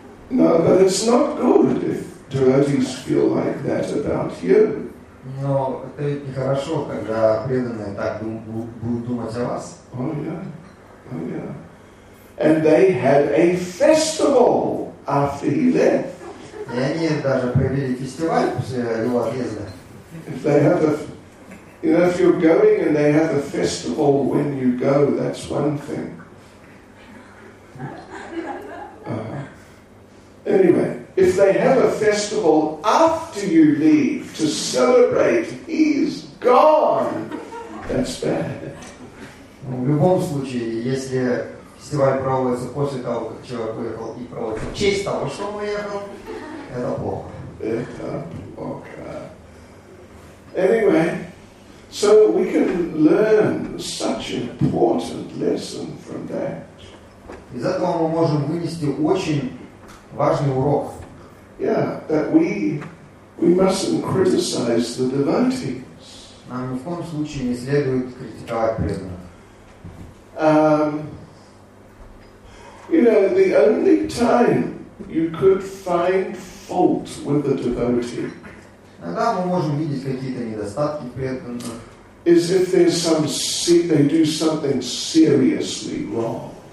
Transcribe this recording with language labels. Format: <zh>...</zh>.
<en>No, but it's not good if devotees feel like that about you.</en> <ru>Но это ведь нехорошо, когда преданные так будут думать о вас.</ru> <en>Oh, yeah. Oh, yeah. And they had a festival after he left.</en> <ru>И они даже провели фестиваль после его отъезда.</ru> <en>If they have if you're going and they have a festival when you go, that's one thing. Anyway. If they have a festival after you leave to celebrate, he's gone. That's bad.</en> <ru>Ну, в любом случае, если фестиваль проводится после того, как человек уехал, и проводится в честь того, что он уехал, это плохо. Это плохо.</ru> <en>Anyway, so we can learn such an important lesson from that.</en> <ru>Из этого мы можем вынести очень важный урок.</ru> <en>Yeah, that we mustn't criticize the devotees.</en> <ru>Нам ни в коем случае не следует критиковать преданных.</ru> <en>You know, the only time you could find fault with the devotee.</en> <ru>Иногда мы можем видеть какие-то недостатки преданных.</ru> <en>Is if there's some they do something seriously wrong.</en>